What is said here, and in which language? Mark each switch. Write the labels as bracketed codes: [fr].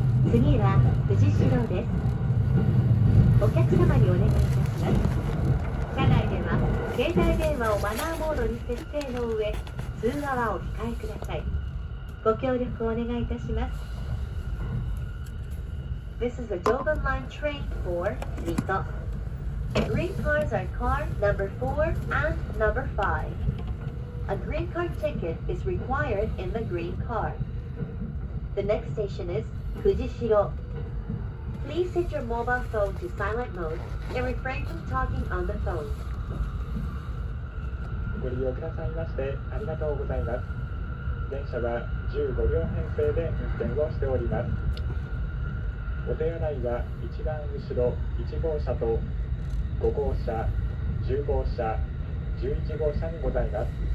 [ja] 次は藤代です。お客様にお願いいたします。車内では携帯電話をマナーモードに設定の上、通話はお控えください。ご協力をお願いいたします。 [en] This is the Jovan Line train for Mito. Green cars are car number 4 and number 5. A green car ticket is required in the green car. The next station is Fujishiro. Please set your mobile phone to silent mode and refrain from talking on the phone. [ja] ご利用くださいまして、ありがとうございます。電車は15両編成で運転をしております。お手洗いは一番後ろ1号車と5号車、10号車、11号車にございます。